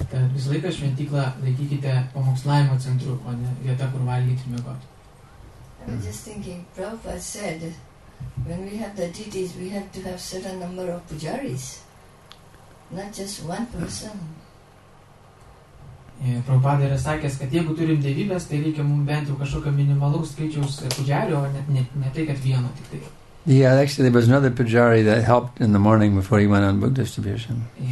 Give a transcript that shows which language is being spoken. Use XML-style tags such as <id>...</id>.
<en>I was just thinking, Prabhupada said, when we have the deities, we have to have certain number of pujaris, not just one person.</en> <lt>Prabhupada yra sakęs, kad jeigu turim devybės, tai reikia mums bent jau kažkokio minimalaus skaičiaus pujarių, o ne tai, kad vieno tik tai.</lt> <en>Yeah, actually there was another pujari that helped in the morning before he went on book distribution.</en>